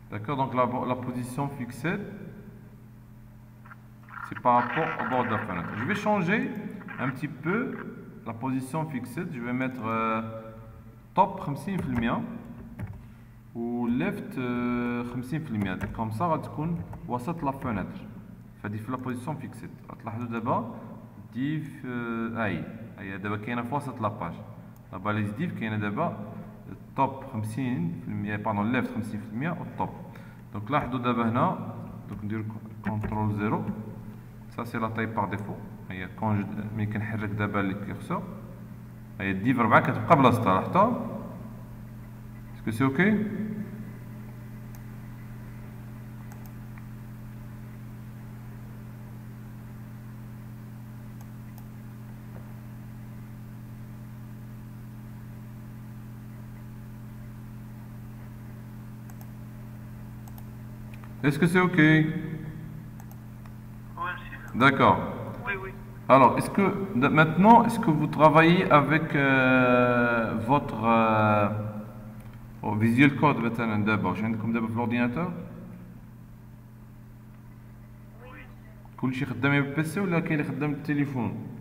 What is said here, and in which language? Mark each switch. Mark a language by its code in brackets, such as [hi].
[fr] D'accord, donc la position fixée, c'est par rapport au bord de la fenêtre. Je vais changer un petit peu la position fixée. Je vais mettre top 50% ou left 50%. Comme ça, on va voir la fenêtre. [ar] فهادي في لا بوزيسيون فيكسيت غتلاحظوا دابا ديف هي دابا كاينه في وسط لاباج لا باليز ديف كاينه دابا التوب 50% باردون ليفت 50% والتوب دونك لاحظوا دابا هنا دونك ندير كونترول زيرو سا سي لا تاي باغ ديفو هي كون مي كنحرك دابا لي كيرسور هي ديف 4 كتبقى بلاصتها لاحظتوا اسكو سي اوكي [fr] Est-ce que c'est OK? Oui, monsieur. D'accord. Oui, oui. Alors, est-ce que maintenant, est-ce que vous travaillez avec votre Visual Code, maintenant, d'abord, j'ai comme d'abord l'ordinateur? Oui. Est-ce que vous avez un PC ou est-ce que vous avez un téléphone?